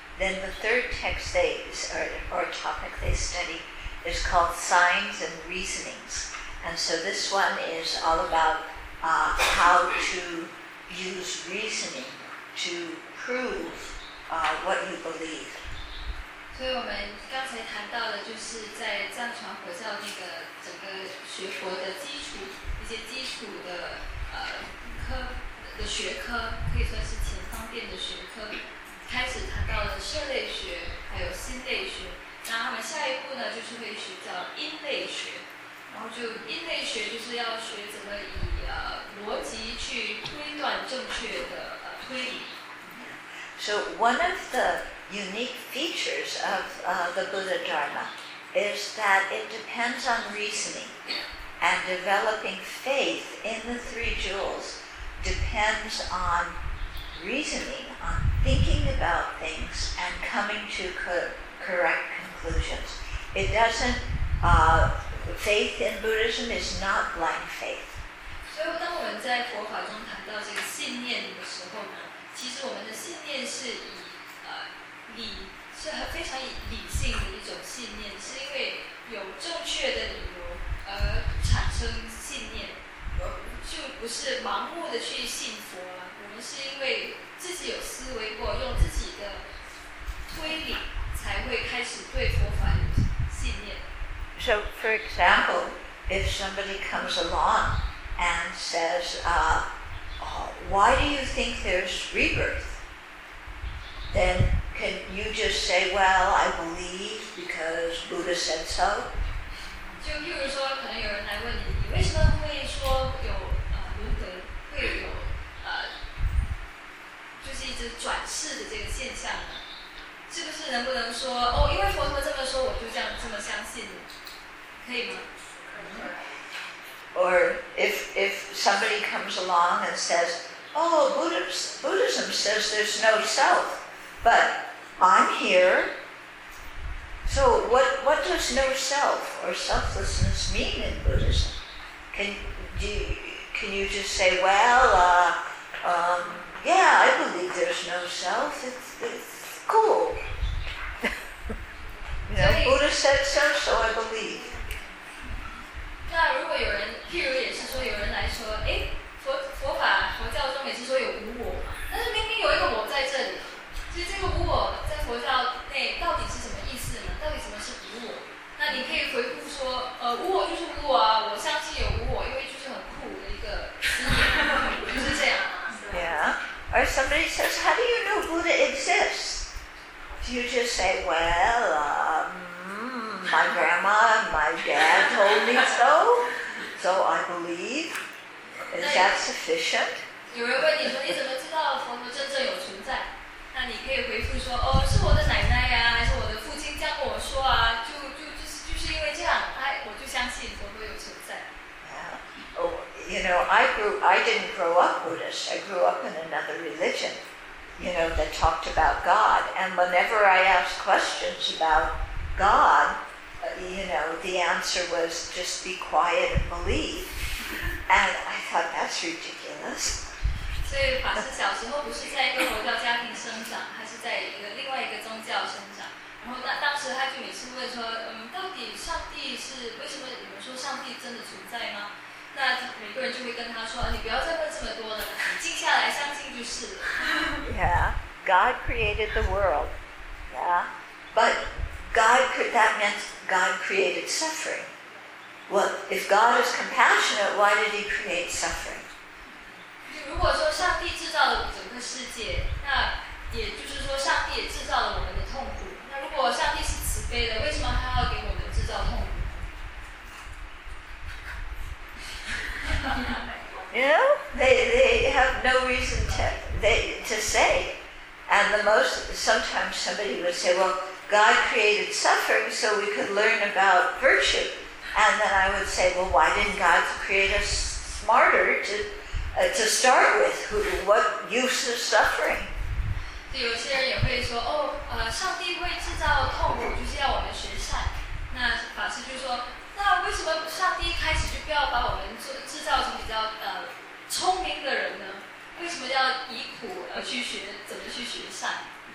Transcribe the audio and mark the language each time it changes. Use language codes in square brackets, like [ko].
[en] Then the third text topic they study is called signs and reasonings. And so this one is all about how to use reasoning to prove what you believe. [zh] 所以我们刚才谈到的就是在藏传佛教那个整个学佛的基础，一些基础的科的学科，可以说是前方便的学科，开始谈到了社类学还有心类学，然后我们下一步呢就是会学叫因类学，然后就因类学就是要学怎么以逻辑去推断正确的推理。 [en] So one of the unique features of the Buddha Dharma is that it depends on reasoning, and developing faith in the three jewels depends on reasoning, on thinking about things and coming to correct conclusions. It doesn't, faith in Buddhism is not blind faith. So when we talk about this belief, [zh] 其实我们的信念是以理，是很非常理性的一种信念，是因为有正确的理由而产生信念，就不是盲目的去信佛了。我们是因为自己有思维过，用自己的推理才会开始对佛法有信念。 [en] So for example, if somebody comes along and says, why do you think there's rebirth? Then can you just say, well, I believe because Buddha said so? [zh] 就譬如说，可能有人来问你，你为什么会说有轮回，会有就是一直转世的这个现象呢？是不是能不能说，哦，因为佛陀这么说，我就这么相信，可以吗？ [en] Or if somebody comes along and says,Oh, Buddhism says there's no self, but I'm here. So what does no self or selflessness mean in Buddhism? Can you just say, well, yeah, I believe there's no self. It's cool. You know, Buddha said so, so I believe. [zh] 那如果有人，譬如也是说有人来说，哎。佛教中也是说有无我，但是明明有一个我在这里，所以这个无我在佛教内到底是什么意思呢？到底什么是无我？那你可以回复说，无我就是无我啊，我相信有无我，因为就是很酷的一个词眼，就是这样。 [en] Yeah. Or somebody says, "How do you know Buddha exists?" Do you just say, "Well, my grandma, my dad told me so, so I believe." Is that sufficient? [zh] 有人问你说你怎么知道佛陀真正有存在？那你可以回复说，哦，是我的奶奶呀，还是我的父亲教我说啊，就是因为这样，哎，我就相信佛陀有存在。 [en] Yeah. Oh, you know, I didn't grow up Buddhist. I grew up in another religion, you know, that talked about God. And whenever I asked questions about God, you know, the answer was just be quiet and believe. And I thought that's ridiculous. [zh] So, 法师小时候不是在一个佛教家庭生长，他是在另外一个宗教生长。然后当时他就每次问说，到底上帝是为什么？你们说上帝真的存在吗？那每个人就会跟他说，你不要再问这么多了，你静下来相信就是了。 [en] Yeah, God created the world. Yeah, but that meant God created suffering. Well, if God is compassionate, why did he create suffering? [zh] 如果说上帝制造了整个世界，那也就是说上帝也制造了我们的痛苦。那如果上帝是慈悲的，为什么他要给我们制造痛苦？ [en] You know, they have no reason to say. And sometimes somebody would say, well, God created suffering so we could learn about virtue. And then I would say, well, why didn't God create us smarter to start with? What use is suffering? [zh] 有些人也会说，上帝会制造痛苦，就是要我们学善。那法师就说，那为什么上帝一开始就不要把我们制造成比较聪明的人呢？为什么要以苦而去学怎么去学善？